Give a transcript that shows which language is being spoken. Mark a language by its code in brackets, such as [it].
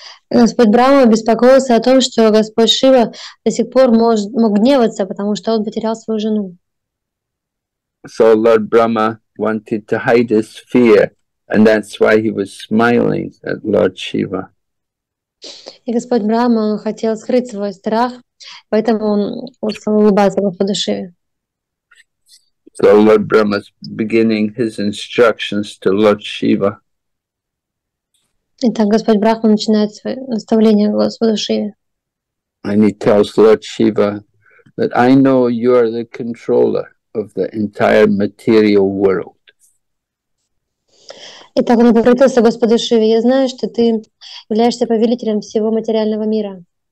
[ru] Господь Брахма беспокоился о том, что Господь Шива до сих пор мог гневаться, потому что он потерял свою жену. [en] So Lord Brahma wanted to hide his fear, and that's why he was smiling at Lord Shiva. [ru] И Господь Брахма хотел скрыть свой страх, поэтому он стал улыбаться Господу Шиве. [en] So Lord Brahma is beginning his instructions to Lord Shiva. [ru] Итак, Господь Брахма начинает свое наставление Господу Шиве. [en] And he tells Lord Shiva that I know you are the controller of the entire material world. [ru] Итак, он обратился к Господу Шиве. Я знаю, что ты являешься повелителем всего материального мира.